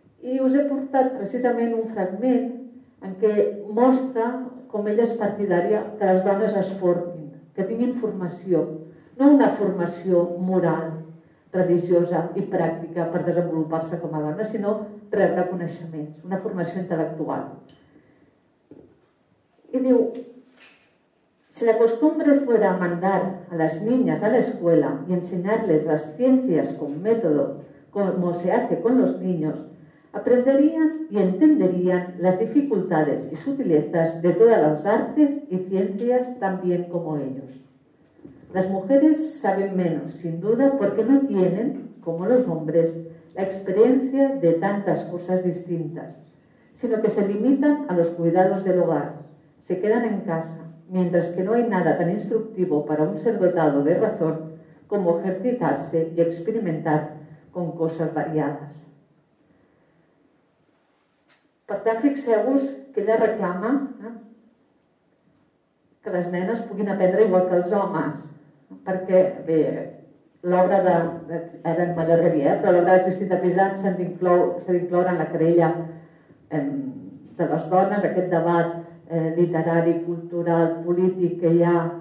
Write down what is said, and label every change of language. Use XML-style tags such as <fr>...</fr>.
<ca>I us he portat precisament un fragment en què mostra com ella és partidària que les dones es formin, que tinguin formació, no una formació moral, religiosa i pràctica per desenvolupar-se com a dona, sinó rebre coneixements, una formació intel·lectual. I diu:</ca> <es>si la costumbre fuera mandar a las niñas a la escuela y enseñarles las ciencias con método, como se hace con los niños, aprenderían y entenderían las dificultades y sutilezas de todas las artes y ciencias tan bien como ellos. Las mujeres saben menos, sin duda, porque no tienen, como los hombres, la experiencia de tantas cosas distintas, sino que se limitan a los cuidados del hogar, se quedan en casa, mientras que no hay nada tan instructivo para un ser dotado de razón como ejercitarse y experimentar con cosas variadas.</es> <ca>Per tant, fixeu-vos que ella reclama que les nenes puguin aprendre igual que els homes, perquè, bé, l'obra de Malagrier, però l'obra de Christine de Pizan s'ha d'incloure en la querella de les dones, aquest debat literari, cultural, polític que hi ha,</ca>